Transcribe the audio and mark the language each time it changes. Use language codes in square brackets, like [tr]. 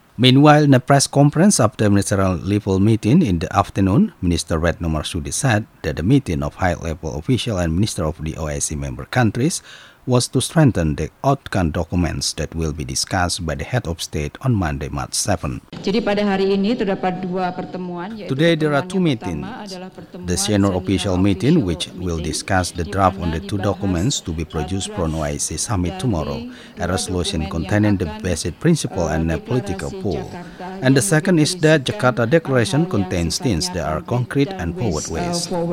[en] Meanwhile, in a press conference after the ministerial-level meeting in the afternoon, Minister Retno Marsudi said that the meeting of high-level officials and ministers of the OIC member countries was to strengthen the outcome documents that will be discussed by the head of state on Monday, March 7. [id] Jadi pada hari ini terdapat dua pertemuan. [en] Today there are two meetings. The senior official meeting, which will discuss the draft on the two documents to be produced from OIC summit tomorrow, a resolution containing the basic principle and a political pool. And the second is that Jakarta Declaration contains things that are concrete and forward ways.